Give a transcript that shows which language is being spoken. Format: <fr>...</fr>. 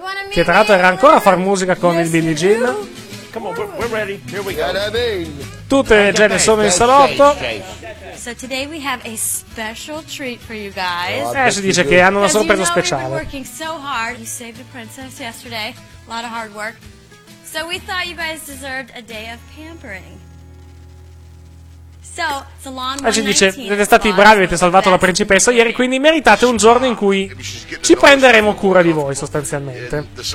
<it>Che tra l'altro era ancora a far musica con il Billie Jean.</it> <en>Come on, we're ready. Here we go.</en> <it>Tutte le genere sono in salotto.</it> <en>So today we have a special treat for you guys.</en> <it>Si dice che hanno una sorpresa speciale.</it> <en>We've been working so hard. You saved a princess yesterday. A lot of hard work. So we thought you guys deserved a day of pampering.</en> <it>E ci dice, siete stati bravi, avete salvato la principessa ieri, quindi meritate un giorno in cui ci prenderemo cura di voi, sostanzialmente.</it>